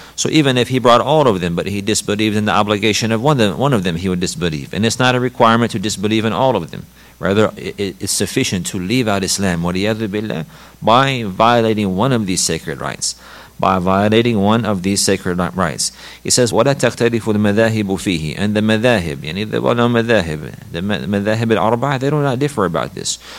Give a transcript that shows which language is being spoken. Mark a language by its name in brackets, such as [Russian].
[English] So even if he brought all of them, but he disbelieved in the obligation of one of them, he would disbelieve. And it's not a requirement to disbelieve in all of them. Rather, it's sufficient to leave out Islam, waliyadu billah, by violating one of these sacred rights. By violating one of these sacred rights. He says, [Arabic] وَلَا تَقْتَرِفُ الْمَذَاهِبُ فِيهِ. [English] And the madahib, yani the well-known madahib, the madahib al-arba'ah, they do not differ about this.